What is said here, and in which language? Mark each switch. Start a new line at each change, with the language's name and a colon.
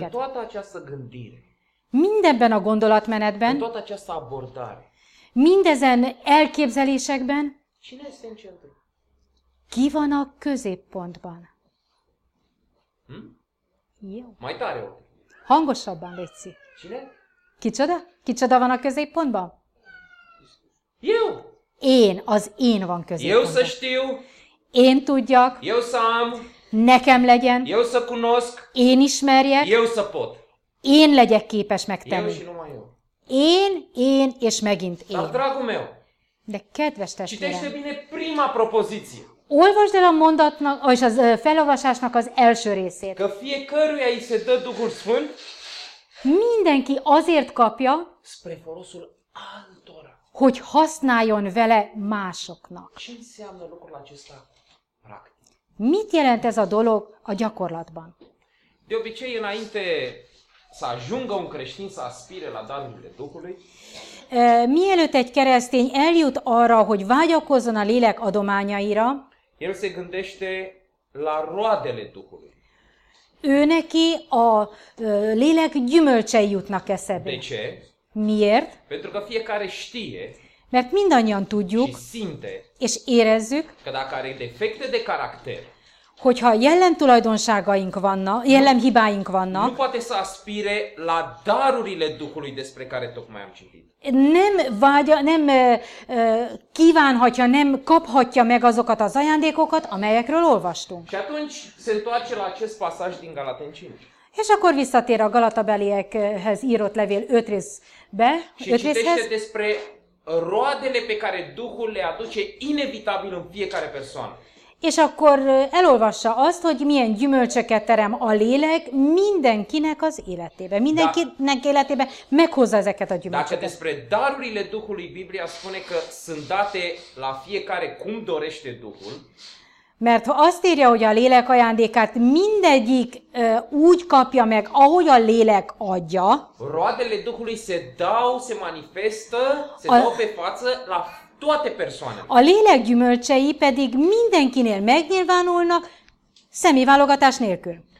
Romanian: În toată această gândire.
Hungarian: Mindenben a gondolatmenetben.
Romanian: În toată această abordare.
Hungarian: Mindezen elképzelésekben.
Romanian: Cine este în centru?
Hungarian: Ki van a középpontban? Jó.
Romanian: Mai tare.
Hungarian: Hangosabban, Léci.
Romanian: Cine?
Hungarian: Kicsoda? Kicsoda van a középpontban?
Romanian: You.
Hungarian: Én, az én van középpontban.
Romanian: Eu să știu.
Hungarian: Én tudjak.
Romanian: Eu să am.
Hungarian: Nekem legyen.
Romanian: Eu să cunosc.
Hungarian: Én ismerjek.
Romanian: Eu să pot.
Hungarian: Én legyek képes megtenni.
Romanian: Eu și numai eu.
Hungarian: Én, és megint én.
Romanian: Dar, dragul meu.
Hungarian: De kedves testvérem.
Romanian: Citește bine prima propoziție.
Hungarian: Olvasd el a mondatnak, és az felolvasásnak az első részét.
Romanian: Că fiecăruia îi se dă Duhul Sfânt.
Hungarian: Mindenki azért kapja,
Romanian: spre folosul altora.
Hungarian: Hogy használjon vele másoknak.
Romanian: Ce înseamnă lucrul acesta practic?
Hungarian: Mit jelent ez a dolog a gyakorlatban?
Romanian: De obicei, înainte să ajungă un creștin să aspire la darurile Duhului,
Hungarian: mielőtt egy keresztény eljut arra, hogy vágyakozzon a lélek adományaira,
Romanian: el se gândește la roadele Duhului.
Hungarian: Ő neki a lélek gyümölcsei jutnak eszebe.
Romanian: De ce?
Hungarian: Miért?
Romanian: Pentru că fiecare știe,
Hungarian: mert mindannyian tudjuk,
Romanian: și simte,
Hungarian: és érezzük,
Romanian: că dacă are defecte de caracter,
Hungarian: hogyha jellemtulajdonságaink vannak, jellemhibáink vannak,
Romanian: nu poate să aspire la darurile Duhului despre care tocmai am citit.
Hungarian: Nem vágya, nem kívánhatja, nem kaphatja meg azokat az ajándékokat, amelyekről olvastunk.
Romanian: Și atunci se întoarce la acest pasaj din Galaten 5.
Hungarian: És akkor visszatér a Galatabeliekhez írott levél 5 részbe, 5 részhez.
Romanian: Citește despre roadele pe care Duhul le aduce inevitabil în fiecare persoană.
Hungarian: És akkor elolvassa azt, hogy milyen gyümölcsöket terem a lélek mindenkinek az életébe. Mindenkinek életébe meghozza ezeket a gyümölcsöket.
Romanian: Dacă despre darurile Duhului Biblia spune că sunt date la fiecare cum dorește Duhul.
Hungarian: Mert ha azt írja, hogy a lélek ajándékát mindegyik úgy kapja meg, ahogy a lélek adja.
Romanian: Roadele Duhului se dau, se manifestă, se dau pe față la toate persoanele.
Hungarian: A lélek gyümölcsei pedig mindenkinél megnyilvánulnak személyválogatás nélkül.